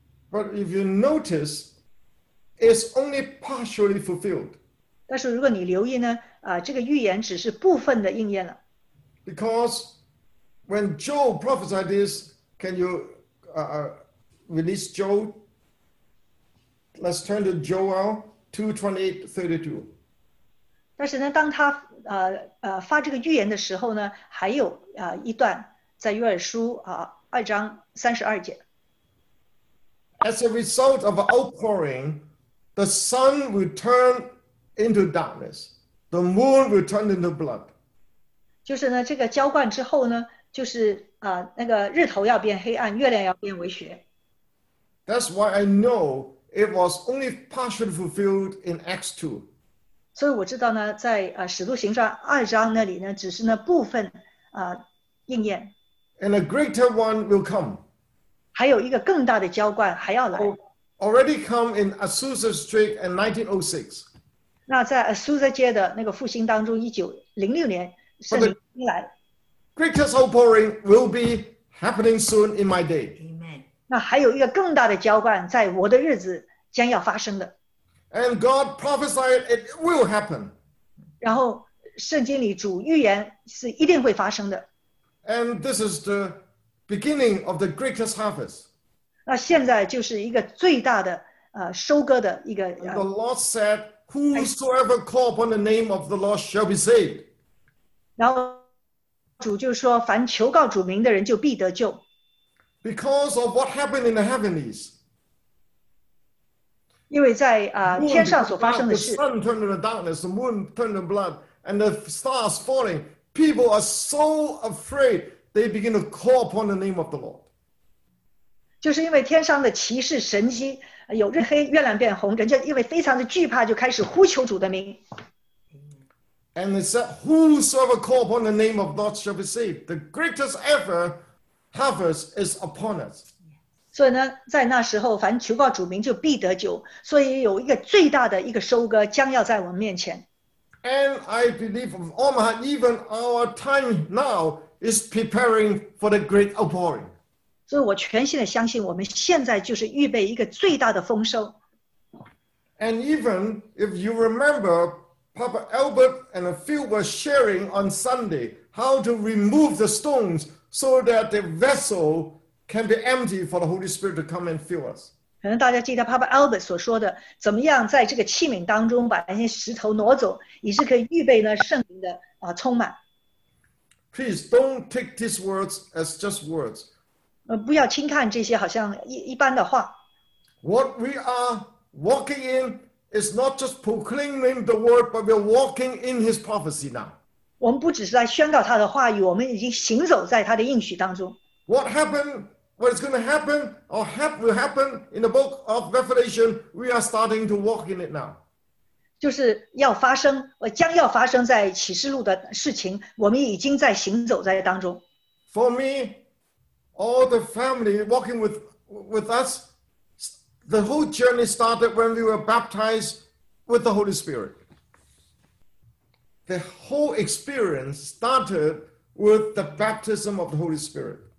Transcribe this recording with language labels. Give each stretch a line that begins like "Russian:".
English: But if you notice, it's only partially fulfilled.
Chinese: 但是如果你留意呢这个预言只是部分的应验了。
English: Because when Joel prophesied this, can you release Joel? Let's turn to Joel 2:28-32.
Chinese: 但是呢，当他发这个预言的时候呢，还有一段在约珥书二章32节。
English: As a result of an outpouring the sun will turn into darkness, the moon will turn into blood.
Chinese: 就是呢，这个浇灌之后呢，就是啊，那个日头要变黑暗，月亮要变为血。
English: That's why I know it was only partially fulfilled in Acts 2.
Chinese: 所以我知道呢，在使徒行传二章那里呢，只是那部分应验。
English: And a greater one will come.
Chinese: 还有一个更大的浇灌还要来。
English: Already come in Azusa Street in 1906.
Chinese: 那在 Azusa 街的那个复兴当中，1906年圣灵已经来了。
English: Greatest outpouring will be happening soon in my day.
Chinese: 那还有一个更大的浇灌在我的日子将要发生的。
English: And God prophesied it will happen.
Chinese: 然后圣经里主预言是一定会发生的。
English: And this is the beginning of the greatest harvest.
Chinese: 那现在就是一个最大的收割的一个。
English: And the Lord said, whosoever call upon the name of the Lord shall be saved.
Chinese: 然后主就说凡求告主名的人就必得救。
English: Because of what happened in the heavenlies.
Chinese: 因为在天上所发生的事。
English: The sun turned into darkness, the moon turned into blood, and the stars falling. People are so afraid, they begin to call upon the name of the Lord.
Chinese: 就是因为天上的奇事神迹，有日黑月亮变红，人家因为非常的惧怕，就开始呼求主的名。
English: And it said, whosoever call upon the name of the Lord shall be saved. The greatest ever harvest is upon us.
Chinese: 所以呢，在那时候，凡求告主名就必得救。所以有一个最大的一个收割将要在我们面前。
English: And I believe of all my heart, even our time now is preparing for the great outpouring.
Chinese: 所以我全心的相信我们现在就是预备一个最大的丰收。
English: And even if you remember, Papa Albert and Phil were sharing on Sunday how to remove the stones so that the vessel can be empty for the Holy Spirit to come and fill us.
Chinese: 可能大家记得 Papa Albert 所说的，怎么样在这个器皿当中把那些石头挪走，以致可以预备呢圣灵的充满。
English: Please don't take these words as just words.
Chinese: 不要轻看这些好像一般的话。
English: What we are walking in is not just proclaiming the word, but we're walking in His prophecy now.
Chinese: 我们不只是在宣告他的话语，我们已经行走在他的应许当中。
English: What happened? What is going to happen or will happen in the book of Revelation, we are starting to walk in it now.
Chinese: 就是要发生，将要发生在启示录的事情，我们已经在行走在当中。
English: For me, all the family walking with us, the whole journey started when we were baptized with the Holy Spirit. The whole experience started with the baptism of the Holy Spirit.